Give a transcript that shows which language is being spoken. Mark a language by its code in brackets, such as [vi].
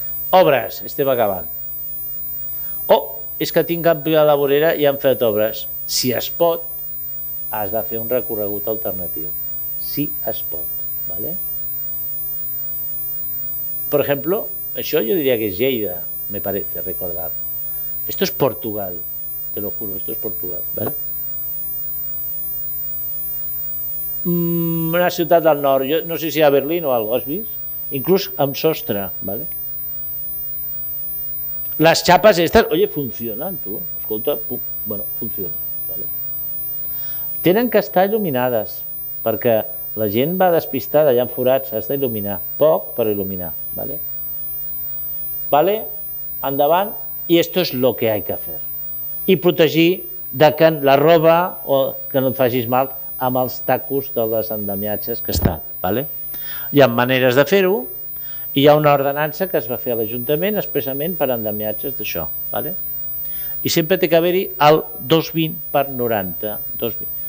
[ca] Obres, estem acabant. Oh, és que tinc ampli a la vorera i han fet obres. Si es pot, has de fer un recorregut alternatiu. Si es pot, ¿vale? Per exemple, això jo diria que és Lleida, [es] me parece recordar. Esto es Portugal, te lo juro, esto es Portugal, ¿vale? [ca] Una ciutat del nord, jo no sé si a Berlín o algo, has vist? Inclús amb sostre, ¿vale? Les xapes estas, oye, funcionen, tu, escolta, pum, bueno, funcionen, ¿vale? Tenen que estar il·luminades, perquè la gent va despistada, hi ha forats, has d'il·luminar, poc, però il·luminar, ¿vale? ¿Vale? [es] Endavant, i esto es lo que hay que hacer. [ca] I protegir de que la roba, o que no et facis mal, amb els tacos de les andamiatges que estan, ¿vale? Hi ha maneres de fer-ho, i hi ha una ordenança que es va fer a l'Ajuntament expressament per andamiatges d'això, ¿vale? I sempre té que haver-hi el 220x90. 220.